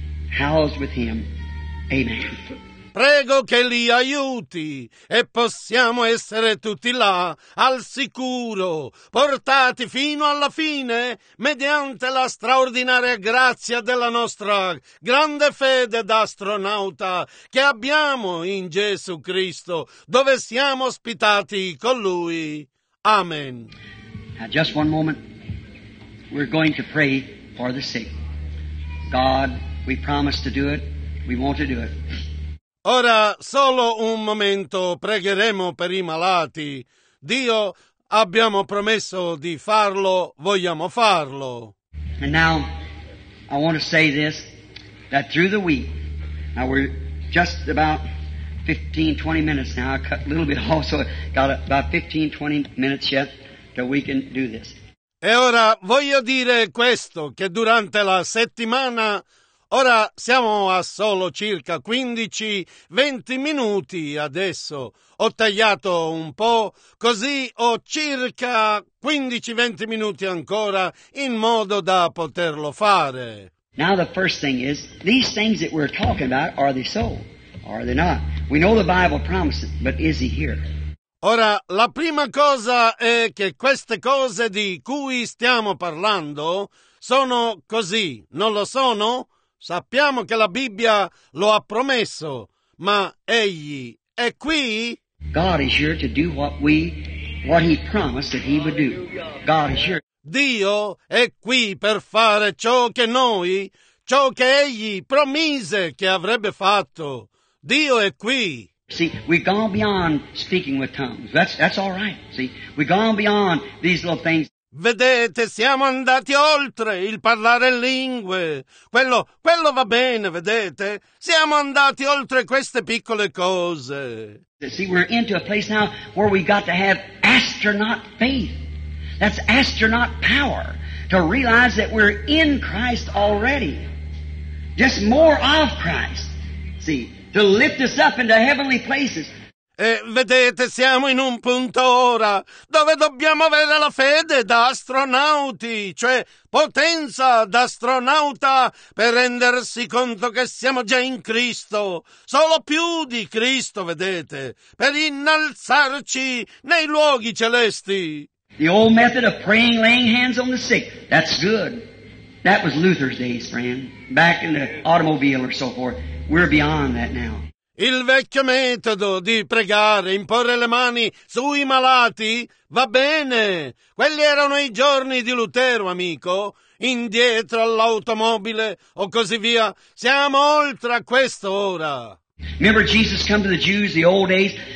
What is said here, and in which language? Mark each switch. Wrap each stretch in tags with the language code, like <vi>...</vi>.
<en>Housed with him. Amen.</en> <it>Prego che li aiuti e possiamo essere tutti là al sicuro, portati fino alla fine mediante la straordinaria grazia della nostra grande fede d'astronauta che abbiamo in Gesù Cristo, dove siamo ospitati con Lui. Amen.</it> <en>Now just one moment. We're going to pray for the sick. God, we promise to do it. We want to do it.</en> <it>Ora solo un momento pregheremo per i malati. Dio, abbiamo promesso di farlo, vogliamo farlo.</it> <en>And now I want to say this, that through the week, now we're just about 15, 20 minutes now. I cut a little bit off, so got about 15, 20 minutes yet till we can do this.</en> <it>E ora voglio dire questo, che durante la settimana, ora siamo a solo circa 15-20 minuti adesso, ho tagliato un po', così ho circa 15-20 minuti ancora in modo da poterlo fare.</it> <en>Now the first thing is, these things that we're talking about, are they so? Are they not? We know the Bible promises, but is he here?</en> <it>Ora, la prima cosa è che queste cose di cui stiamo parlando sono così, non lo sono? Sappiamo che la Bibbia lo ha promesso, ma egli è qui?</it> <en>God is here to do what he promised that he would do. God is here.</en> <it>Dio è qui per fare ciò che egli promise che avrebbe fatto. Dio è qui.</it> <en>See, we've gone beyond speaking with tongues. That's all right. See, we've gone beyond these little things.</en> <it>Vedete, siamo andati oltre il parlare in lingue. Quello va bene, vedete? Siamo andati oltre queste piccole cose.</it> <en>See, we're into a place now where we got to have astronaut faith. That's astronaut power to realize that we're in Christ already. Just more of Christ. See, to lift us up into heavenly places.</en> <it>E vedete, siamo in un punto ora dove dobbiamo avere la fede da astronauti, cioè potenza d'astronauta per rendersi conto che siamo già in Cristo, solo più di Cristo, vedete, per innalzarci nei luoghi celesti.</it> <en>The old method of praying, laying hands on the sick, that's good. That was Luther's days, friend, back in the automobile or so forth. We're beyond that now.</en> <it>Il vecchio metodo di pregare, imporre le mani sui malati, va bene. Quelli erano i giorni di Lutero, amico. Indietro all'automobile o così via. Siamo oltre a questo ora.</it> <en>Remember Jesus come to the Jews, the old days?</en>